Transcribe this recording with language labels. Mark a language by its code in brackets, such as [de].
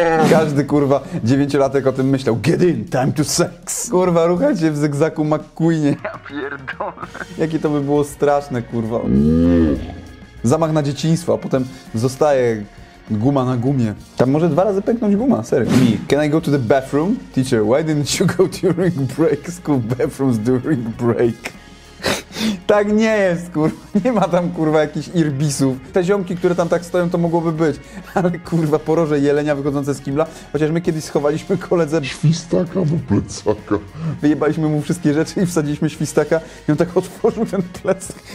[pl] Każdy, kurwa, 9-latek o tym myślał. [en] Get in, time to sex. [pl] Kurwa, ruchajcie w zygzaku McQueenie. Ja pierdolę. pierdolę. Jakie to by było straszne, kurwa. Zamach na dzieciństwo, a potem zostaje guma na gumie. Tam może dwa razy pęknąć guma, serio. [en] Me, can I go to the bathroom? Teacher, why didn't you go during break? School bathrooms during break. [pl] Tak nie jest, kurwa. Nie ma tam, kurwa, jakichś irbisów. Te ziomki, które tam tak stoją, to mogłoby być. Ale, kurwa, poroże jelenia wychodzące z kimla. Chociaż my kiedyś schowaliśmy koledze... Świstaka w plecaka. Wyjebaliśmy mu wszystkie rzeczy i wsadziliśmy świstaka. I on tak otworzył ten plecak.